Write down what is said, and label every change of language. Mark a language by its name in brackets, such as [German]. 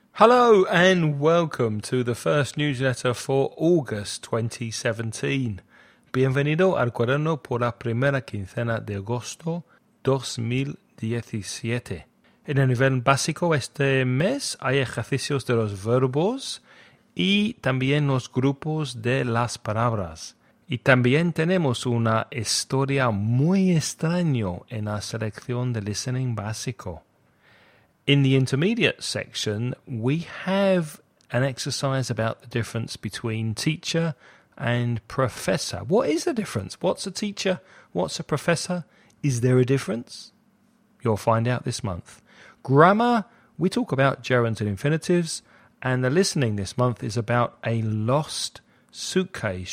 [English] Hello and welcome to the first newsletter for August 2017. [Spanish] Bienvenido al cuaderno por la primera quincena de agosto 2017. En el nivel básico este mes hay ejercicios de los verbos y también los grupos de las palabras. Y también tenemos una historia muy extraña en la selección de listening básico. [English] In the intermediate section, we have an exercise about the difference between teacher and professor. What is the difference? What's a teacher? What's a professor? Is there a difference? You'll find out this month. Grammar, we talk about gerunds and infinitives, and the listening this month is about a lost suitcase.